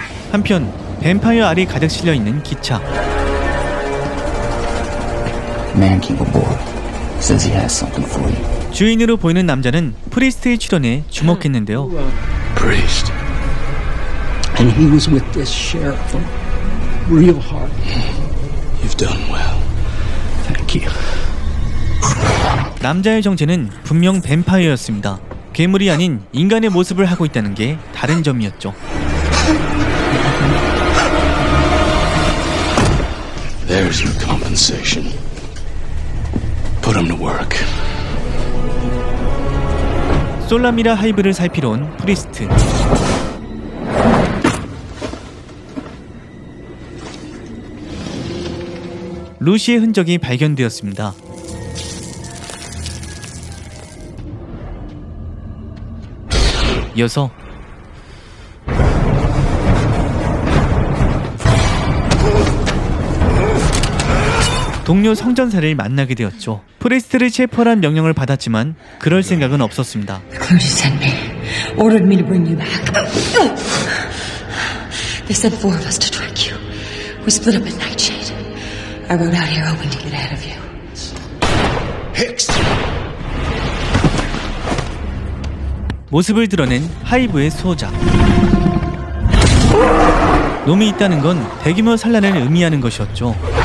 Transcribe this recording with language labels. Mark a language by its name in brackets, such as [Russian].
[Korean] 한편 뱀파이어 알이 가득 실려 있는 기차. [English] Man came aboard. Says he has something for you. [Korean] 주인으로 보이는 남자는 프리스트의 출연에 주목했는데요. [English] Priest. And he was with this sheriff from Real Heart. You've done well. Thank you. [Korean] 남자의 정체는 분명 뱀파이어였습니다. 괴물이 아닌 인간의 모습을 하고 있다는 게 다른 점이었죠. [English] There's your compensation. Put him to work. [Korean] 솔라미라 하이브를 살피러 온 프리스트. 루시의 흔적이 발견되었습니다. 이어서 동료 성전사를 만나게 되었죠. 프리스트를 체포하라는 명령을 받았지만 그럴 생각은 없었습니다. [English] Clergy sent me. Ordered me to bring you back. They sent four of us to track you. We split up at nightshade. I rode out here hoping to get ahead of you. Hicks. [Korean] 모습을 드러낸 하이브의 수호자. 놈이 있다는 건 대규모 산란을 의미하는 것이었죠.